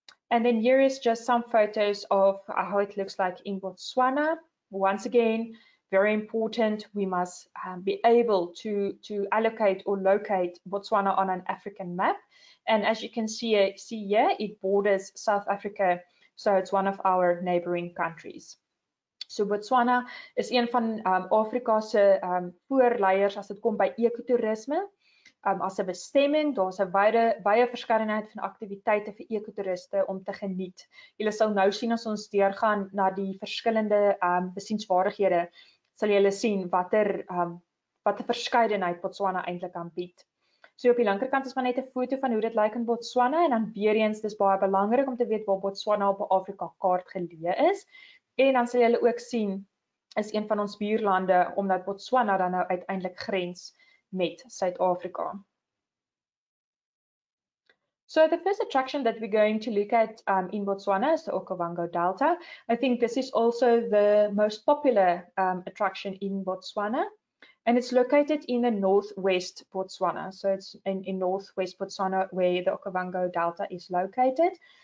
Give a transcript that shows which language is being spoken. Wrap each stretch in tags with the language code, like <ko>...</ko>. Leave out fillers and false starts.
<en>And then here is just some photos of how it looks like in Botswana. Once again, very important, we must be able to allocate or locate Botswana on an African map. And as you can see here, it borders South Africa, so it's one of our neighboring countries.</en> <af>So Botswana is een van Afrika se voorleiers as dit kom by ekotourisme. As 'n bestemming, daar's 'n baie verskeidenheid van aktiwiteite vir ekotouriste om te geniet. Julle sal nou sien as ons deurgaan na die verskillende besienswaardighede, sal julle sien watter verskeidenheid Botswana eintlik kan bied. So op die linkerkant is maar net 'n foto van hoe dit lyk in Botswana en dan weer eens, dis baie belangrik om te weet waar Botswana op 'n Afrika kaart geleë is. En dan sal julle ook sien is een van ons buurlande omdat Botswana dan nou uiteindelik grens met Suid-Afrika.</af> <en>So the first attraction that we're going to look at in Botswana is the Okavango Delta. I think this is also the most popular attraction in Botswana, and it's located in the northwest Botswana. So it's in northwest Botswana where the Okavango Delta is located.</en>